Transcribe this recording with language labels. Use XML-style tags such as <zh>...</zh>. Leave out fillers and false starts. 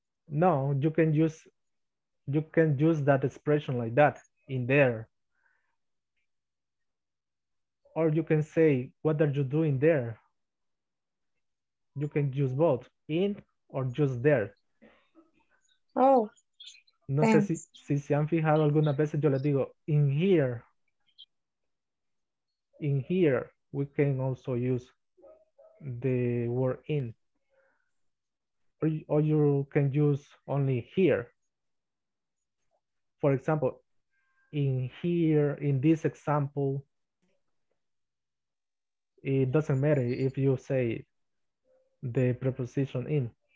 <en>No, you can use that expression like that, in there. Or you can say, what are you doing there? You can use both, in or just there. Oh.</en> <es>No sé si se han fijado algunas veces, yo les digo,</es> <en>in here. In here, we can also use the word in. Or you can use only here. For example, in here, in this example, it doesn't matter if you say the preposition in.</en>